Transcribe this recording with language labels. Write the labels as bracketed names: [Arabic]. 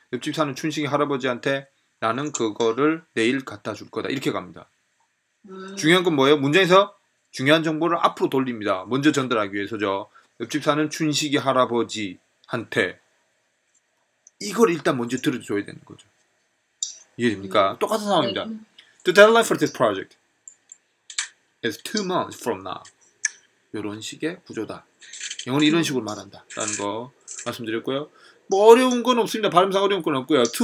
[Korean] 옆집 사는 춘식이 할아버지한테 나는 그거를 내일 갖다 줄 거다. 이렇게 갑니다. 중요한 건 뭐예요? 문장에서 중요한 정보를 앞으로 돌립니다. 먼저 전달하기 위해서죠. 옆집 사는 춘식이 할아버지한테 이걸 일단 먼저 들어줘야 되는 거죠. 이해됩니까? 똑같은 상황입니다. [English] The deadline for this project is 2 months from now. [Korean] 이런 식의 구조다. 영어는 이런 식으로 말한다. 라는 거 말씀드렸고요. 뭐 어려운 건 없습니다. 발음상 어려운 건 없고요.